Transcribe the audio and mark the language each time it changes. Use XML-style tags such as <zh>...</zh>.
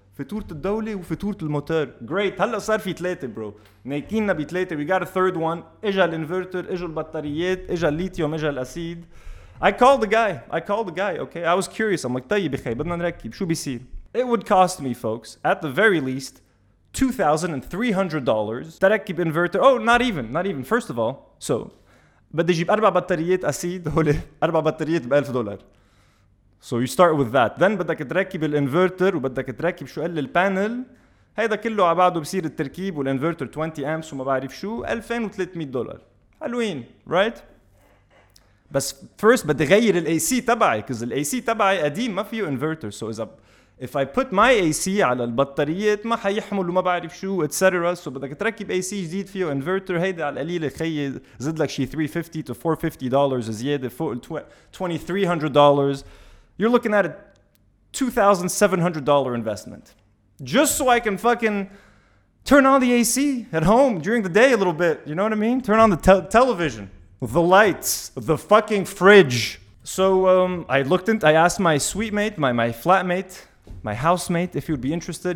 <ar>فتورة الدولة وفتورة الموتور. Great, هلا صار في ثلاثة, bro. ناكينا بثلاثة,</ar> <en>we got a third one.</en> <ar>إجا الانفرتر, إجا البطاريات, إجا الليتيوم, إجا الأسيد.</ar> <en>I called the guy, okay? I was curious. I'm like,</en> <ar>طيب خي, بدنا نركب, شو بيصير?</ar> <en>It would cost me, folks, at the very least, $2,300 to ركب inverter. Oh, not even. First of all, so,</en> <ar>بدي جيب أربع بطاريات أسيد, هولي, أربع بطاريات بألف دولار.</ar> <en>So you start with that.</en> <ar>Then بدك تركب الانفرتر وبدك تركب شو قال البانل. هيدا كله عبعده بصير التركيب والانفرتر 20 amps وما بعرف شو, $2,300. حلوين,</ar> <en>right? But first,</en> <ar>بدي غير الـ AC تبعي,</ar> <en>because</en> <ar>الـ AC تبعي قديم ما فيه inverter.</ar> <en>So if I put my AC</en> <ar>على البطاريات, ما حيحمل وما بعرف شو,</ar> <en>etc.</en> <ar>So بدك تركب AC جديد فيه inverter, هيدا على القليلة خي زد لك شي $350 to $450 زيادة فوق $2,300.</ar> <en>You're looking at a $2,700 investment. Just so I can fucking turn on the AC at home during the day a little bit. You know what I mean? Turn on the television. The lights, the fucking fridge. So I asked my suite mate, my flatmate, my housemate, if he would be interested.</en>